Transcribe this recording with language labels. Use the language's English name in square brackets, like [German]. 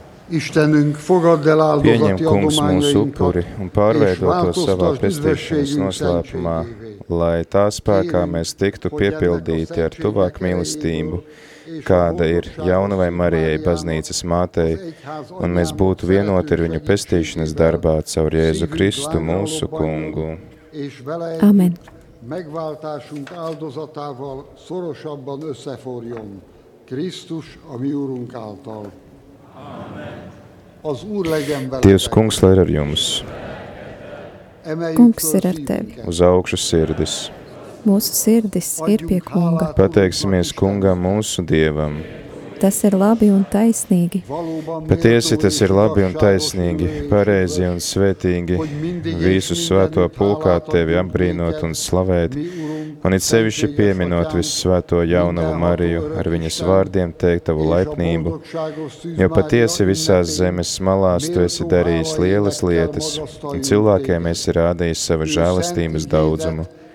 [Hungarian] Istenünk, fogadd el áldozati [Latvian] Pieņem kungs mūsu upuri un pārveido to savā pestīšanas noslēpumā, lai tā spēkā mēs tiktu piepildīti ar tuvāku mīlestību, kāda ir Jaunavai Marijai baznīcas mātei, un mēs būtu vienoti ar viņu pestīšanas darbā caur Jēzu Kristu mūsu kungu. Amen. [Hungarian] Megváltásunk áldozatával szorosabban összeforjon Krisztus, ami úrunk által. Amen. [Latvian] Dievs kungs lai ir ar jums. Kungs ir ar tevi. Uz augšu sirdis. Mūsu sirdis ir pie kunga. Pateiksimies kungam mūsu dievam. Tas ir labi un taisnīgi. Patiesi tas ir labi un taisnīgi, pareizi un svētīgi, visu svēto pulkā tevi apbrīnot un slavēt, un it sevišķi pieminot visu svēto Jaunavu Mariju ar viņas vārdiem teikt tavu laipnību, jo patiesi visās zemes malās tu esi darījis lielas lietas, un cilvēkiem esi rādījis savu žēlastības daudzumu.